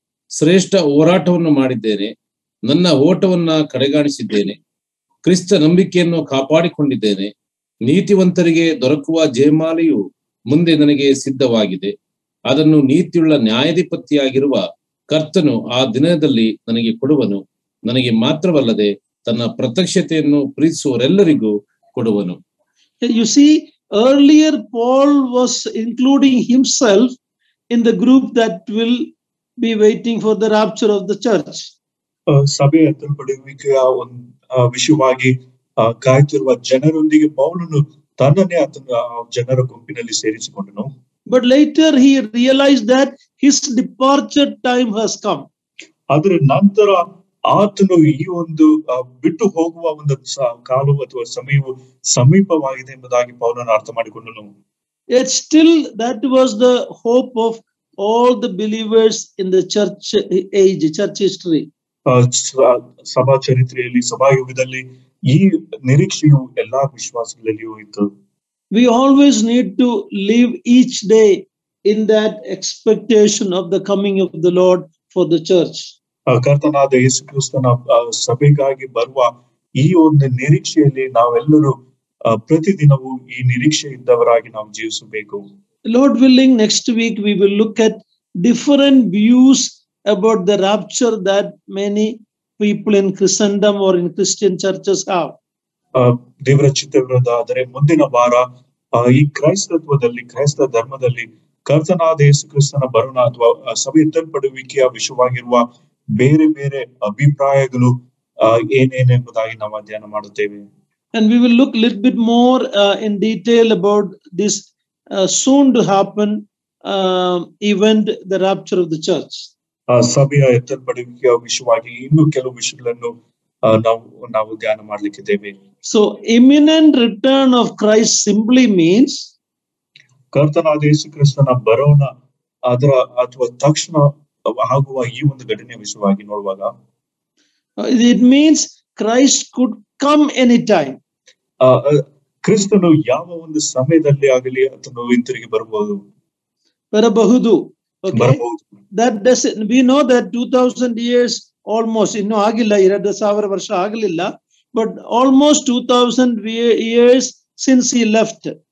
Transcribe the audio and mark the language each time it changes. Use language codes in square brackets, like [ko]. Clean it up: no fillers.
[kn] ಶ್ರೇಷ್ಠ ಹೋರಾಟವನ್ನು ಮಾಡಿದ್ದೇನೆ, ನನ್ನ ಓಟವನ್ನು ಕಡೆಗಾಣಿಸಿದ್ದೇನೆ, ಕ್ರಿಸ್ತ ನಂಬಿಕೆಯನ್ನು ಕಾಪಾಡಿಕೊಂಡಿದ್ದೇನೆ, ನೀತಿವಂತರಿಗೆ ದೊರಕುವ ಜಯಮಾಲೆಯು ಮುಂದೆ ನನಗೆ ಸಿದ್ಧವಾಗಿದೆ, ಅದನ್ನು ನೀತಿಯುಳ್ಳ ನ್ಯಾಯಾಧಿಪತಿಯಾಗಿರುವ ಕರ್ತನು ಆ ದಿನದಲ್ಲಿ ನನಗೆ ಕೊಡುವನು. ನನಗೆ ಮಾತ್ರವಲ್ಲದೆ ತನ್ನ ಪ್ರತ್ಯಕ್ಷತೆಯನ್ನು ಪ್ರೀತಿಸುವರೆಲ್ಲರಿಗೂ ಕೊಡುವನು. [en] You see, earlier Paul was including himself in the group that will be waiting for the rapture of the church. [kn] ಸಭೆಯ ತಲುಪಡುವಿಕೆಯ ಒಂದು ವಿಷಯವಾಗಿ ಕಾಯುತ್ತಿರುವ ಜನರೊಂದಿಗೆ ಪೌಲನು ತನ್ನನ್ನೇ ಆತನ ಜನರ ಗುಂಪಿನಲ್ಲಿ ಸೇರಿಸಿಕೊಂಡನು. [en] But later he realized that his departure time has come. [kn] ಅದರ ನಂತರ ಆತನು ಈ ಒಂದು ಬಿಟ್ಟು ಹೋಗುವ ಒಂದು ಕಾಲವು ಅಥವಾ ಸಮಯವು ಸಮೀಪವಾಗಿದೆ ಎಂಬುದಾಗಿ ಪೌಲನು ಅರ್ಥ ಮಾಡಿಕೊಂಡನು. [en] Yet still that was the hope of all the believers in the church age, church history. [kn] ಸಭಾ ಚರಿತ್ರೆಯಲ್ಲಿ ಸಭಾ ಯುಗದಲ್ಲಿ ಈ ನಿರೀಕ್ಷೆಯು ಎಲ್ಲಾ ವಿಶ್ವಾಸಗಳಲ್ಲಿಯೂ ಇತ್ತು. [en] We always need to live each day in that expectation of the coming of the Lord for the church. [kn] ಕರ್ತನಾದ ಯೇಸು ಕ್ರಿಸ್ತನ ಸಭೆಗಾಗಿ ಬರುವ ಈ ಒಂದು ನಿರೀಕ್ಷೆಯಲ್ಲಿ ನಾವೆಲ್ಲರೂ ಪ್ರತಿದಿನವೂ ಈ ನಿರೀಕ್ಷೆಯಿದ್ದವರಾಗಿ ನಾವು ಜೀವಿಸಬೇಕು. [en] Lord willing, next week we will look at different views about the rapture that many people in Christendom or in Christian churches have. [kn] ದೇವರಚಿತ್ತವಿರೋದಾದರೆ ಮುಂದಿನ ವಾರ ಈ ಕ್ರೈಸ್ತತ್ವದಲ್ಲಿ ಕ್ರೈಸ್ತ ಧರ್ಮದಲ್ಲಿ ಕರ್ತನಾದ ಯೇಸು ಕ್ರಿಸ್ತನ ಬರುಣ ಅಥವಾ ಸಭೆ ಎತ್ತಲ್ಪಡುವಿಕೆಯ ವಿಷಯವಾಗಿರುವ ಬೇರೆ ಬೇರೆ ಅಭಿಪ್ರಾಯಗಳು ಏನೇನೆಂಬುದಾಗಿ ನಾವು ಅಧ್ಯಯನ ಮಾಡುತ್ತೇವೆ. [en] And we will look a little bit more in detail about this soon to happen event, the rapture of the church. [kn] ಸಭೆಯ ಎತ್ತಲ್ಪಡುವಿಕೆಯ ವಿಷಯವಾಗಿ ಇನ್ನು ಕೆಲವು ವಿಷಯಗಳನ್ನು ನಾವು ಧ್ಯಾನ ಮಾಡಲಿಕ್ಕಿದ್ದೇವೆ. [en] So imminent return of Christ simply means [kn] ಕರ್ತನಾದ ಯೇಸು ಕ್ರಿಸ್ತನ ಬರೋಣ ಅದರ ಅಥವಾ ತಕ್ಷಣ ಆಗುವ ಈ ಒಂದು ಘಟನೆ ವಿಷಯವಾಗಿ ನೋಡುವಾಗ [en] It means Christ could come any time. [kn] ಕ್ರಿಸ್ತನು ಯಾವ ಒಂದು ಸಮಯದಲ್ಲಿ ಆಗಲಿ ಅದನ್ನು ಹಿಂತಿರುಗಿ ಬರಬಹುದು ಬರಬಹುದು. [en] That does it. We know that 2000 years almost [kn] inno agilla 2000 varsha agilla, [en] but almost 2000 years since he left